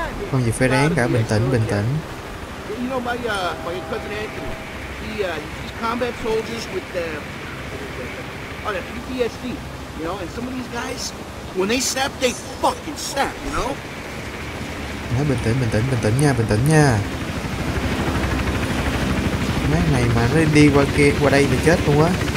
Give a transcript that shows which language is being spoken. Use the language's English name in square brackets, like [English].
[Vietnamese] Không gì phải rén cả, bình tĩnh, bình tĩnh. [English] You know my my cousin Anthony. He's combat soldiers with the PTSD, you know, and some of these guys, when they snap, they fucking snap, you know? [Vietnamese] Nói bình tĩnh, bình tĩnh, bình tĩnh nha, bình tĩnh nha. Mấy này mà nó đi qua kia, qua đây thì chết luôn á.